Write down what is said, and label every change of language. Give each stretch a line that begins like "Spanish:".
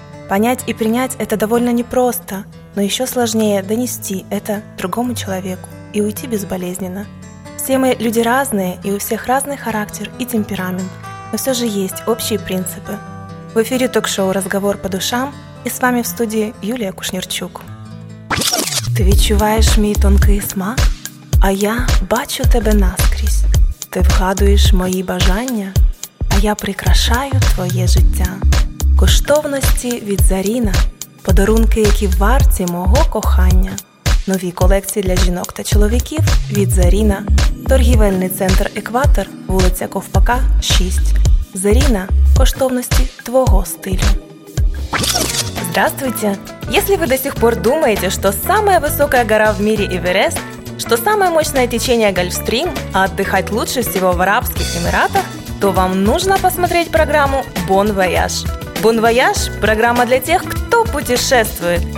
Russian: Понять и принять это довольно непросто, но еще сложнее донести это другому человеку и уйти безболезненно. Все мы люди разные, и у всех разный характер и темперамент, но все же есть общие принципы. В эфире ток-шоу «Разговор по душам» и с вами в студии Юлия Кушнерчук.
Ukrainian: Ти відчуваєш мій тонкий смак, а я бачу тебе наскрізь. Ти вгадуєш мої бажання, а я прикрашаю твоє життя. Коштовності від Заріна, подарунки, які варті мого кохання. Нові колекції для жінок та чоловіків від Заріна. Торгівельний центр «Екватор», вулиця Ковпака, 6. Заріна – коштовності твого стилю.
Russian: Здравствуйте! Если вы до сих пор думаете, что самая высокая гора в мире Эверест, что самое мощное течение Гольфстрим, а отдыхать лучше всего в Арабских Эмиратах, то вам нужно посмотреть программу «Bon Voyage». «Bon Voyage» – программа для тех, кто путешествует.